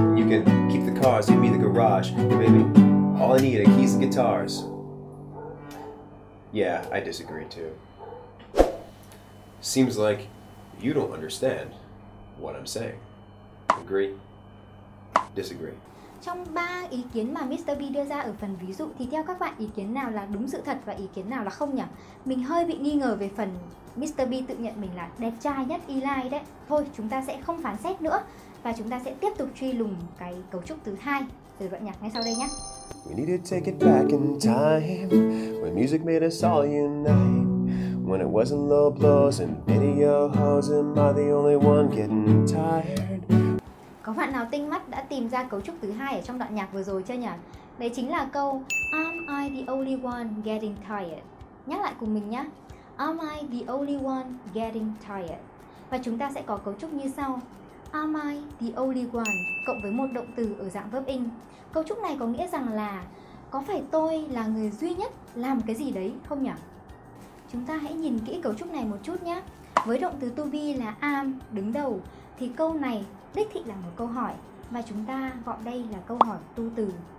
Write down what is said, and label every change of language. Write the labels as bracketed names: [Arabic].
[English] You can keep the cars, give me the garage. Baby, all I need are keys and guitars. Yeah, I disagree too. Seems like you don't understand what I'm saying. Agree? Disagree? [Vietnamese] Trong 3 ý kiến mà Mr. B đưa ra ở phần ví dụ thì theo các bạn ý kiến nào là đúng sự thật và ý kiến nào là không nhỉ? Mình hơi bị nghi ngờ về phần Mr. B tự nhận mình là đẹp trai nhất Eli đấy. Thôi, chúng ta sẽ không phán xét nữa và chúng ta sẽ tiếp tục truy lùng cái cấu trúc thứ hai từ đoạn nhạc ngay sau đây nhé. [English] We need to take it back in time when music made us all unite. When it wasn't low blows and video hoes, am I the only one getting tired? [Vietnamese] Có bạn nào tinh mắt đã tìm ra cấu trúc thứ hai ở trong đoạn nhạc vừa rồi chưa nhỉ? Đấy chính là câu [English] Am I the only one getting tired? [Vietnamese] Nhắc lại cùng mình nhé. [English] Am I the only one getting tired? [Vietnamese] Và chúng ta sẽ có cấu trúc như sau. [English] Am I the only one [Vietnamese] cộng với một động từ ở dạng verb ing. Cấu trúc này có nghĩa rằng là có phải tôi là người duy nhất làm cái gì đấy không nhỉ? Chúng ta hãy nhìn kỹ cấu trúc này một chút nhé. Với động từ to be là am đứng đầu thì câu này đích thị là một câu hỏi và chúng ta gọi đây là câu hỏi to từ.